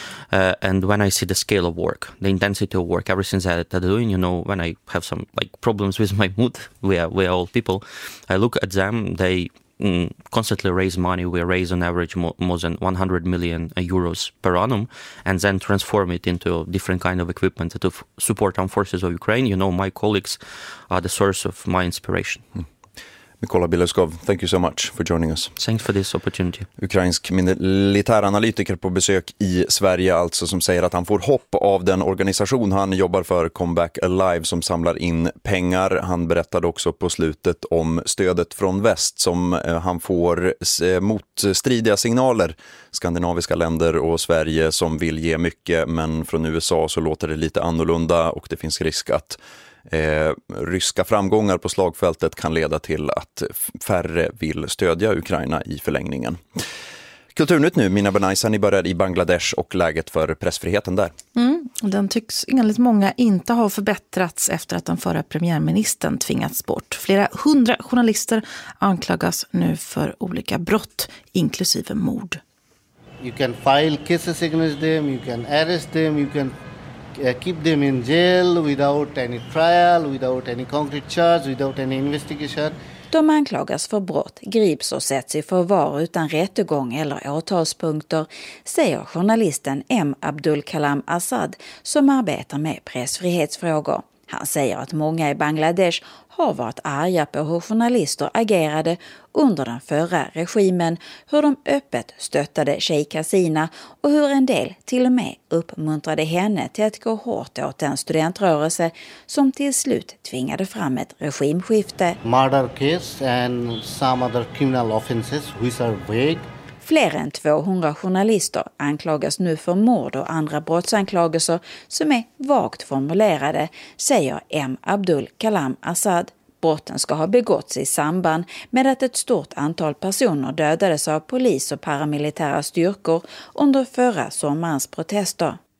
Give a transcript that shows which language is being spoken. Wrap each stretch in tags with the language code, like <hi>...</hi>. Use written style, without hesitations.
<en>And when I see the scale of work, the intensity of work, everything that they're doing, you know, when I have some like problems with my mood, we are all people, I look at them, they constantly raise money. We raise on average more than 100 million euros per annum and then transform it into different kind of equipment to support armed forces of Ukraine. You know, my colleagues are the source of my inspiration. Mm. Mykola Bileskov, thank you so much for joining us. Thanks for this opportunity.</en> <sv>Ukrainsk militäranalytiker på besök i Sverige alltså, som säger att han får hopp av den organisation han jobbar för, Comeback Alive, som samlar in pengar. Han berättade också på slutet om stödet från väst som han får motstridiga signaler. Skandinaviska länder och Sverige som vill ge mycket, men från USA så låter det lite annorlunda och det finns risk att ryska framgångar på slagfältet kan leda till att färre vill stödja Ukraina i förlängningen. Kulturnytt nu, Mina Benajsa, ni börjar i Bangladesh och läget för pressfriheten där. Den tycks enligt många inte ha förbättrats efter att den förra premiärministern tvingats bort. Flera hundra journalister anklagas nu för olika brott, inklusive mord.</sv> <en>You can file cases against them, you can arrest them, you can keep them in jail without any trial, without any concrete charge, without any investigation.</en> <sv>De anklagas för brott, grips och sätts i förvar utan rättegång eller åtalspunkter, säger journalisten M. Abdul Kalam Assad som arbetar med pressfrihetsfrågor. Han säger att många i Bangladesh har varit arga på hur journalister agerade under den förra regimen, hur de öppet stöttade Sheikh Hasina och hur en del till och med uppmuntrade henne till att gå hårt åt den studentrörelse som till slut tvingade fram ett regimskifte.</sv> <en>Murder case and some other criminal offenses which are vague.</en> <sv>Fler än 200 journalister anklagas nu för mord och andra brottsanklagelser som är vagt formulerade, säger M. Abdul Kalam Assad. Brotten ska ha begåtts i samband med att ett stort antal personer dödades av polis och paramilitära styrkor under förra sommarens protester.</sv>